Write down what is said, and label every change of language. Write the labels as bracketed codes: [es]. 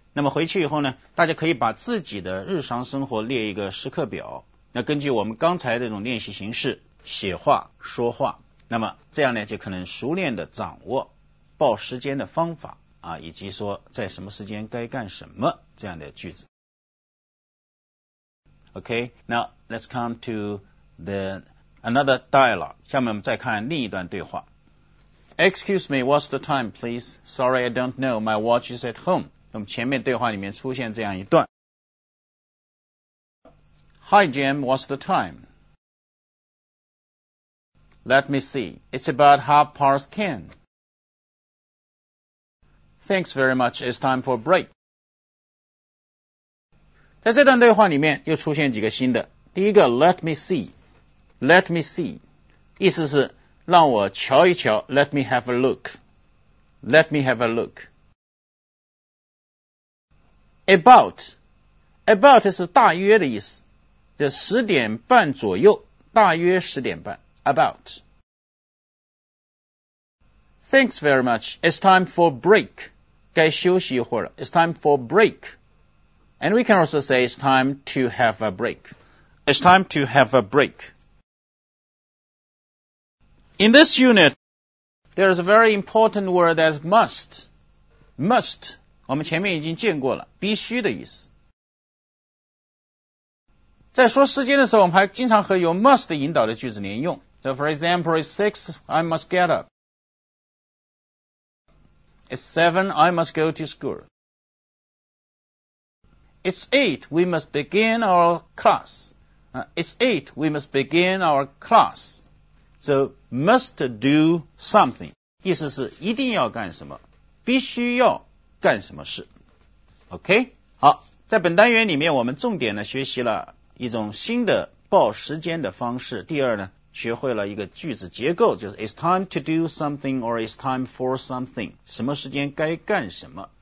[zh] 那么回去以后呢，大家可以把自己的日常生活列一个时刻表，那根据我们刚才这种练习形式写话说话，那么这样呢就可能熟练的掌握报时间的方法啊，以及说在什么时间该干什么这样的句子。 [en] OK, now let's come to another dialogue. [zh] 下面我们再看另一段对话。 [en] Excuse me, what's the time, please? Sorry, I don't know. My watch is at home. [zh] 我们前面对话里面出现这样一段。 [en] Hi, Jim, what's the time? Let me see. It's about 10:30. Thanks very much. It's time for break. [zh] 在这段对话里面又出现几个新的。第一个 [en] ,let me see. Let me see. [zh] 意思是让我瞧一瞧 , [en] let me have a look. Let me have a look. [zh] About 是大约的意思，就十点半左右，大约十点半。 [en] About. Thanks very much. It's time for break. [zh] 该休息一会儿了。 [en] It's time for break. And we can also say it's time to have a break. It's time to have a break. In this unit, there is a very important word as must. Must. [zh] 我们前面已经见过了必须的意思。在说时间的时候，我们还经常和有 must 引导的句子连用。 [en] So for example, it's 6, I must get up. It's 7, I must go to school. It's 8, we must begin our class. It's 8, we must begin our class. So must do something. [zh] 意思是一定要干什么，必须要。干什么事 ？OK， 好，在本单元里面，我们重点呢学习了一种新的报时间的方式。第二呢，学会了一个句子结构，就是 [en] "It's time to do something" or "It's time for something"， [zh] 什么时间该干什么。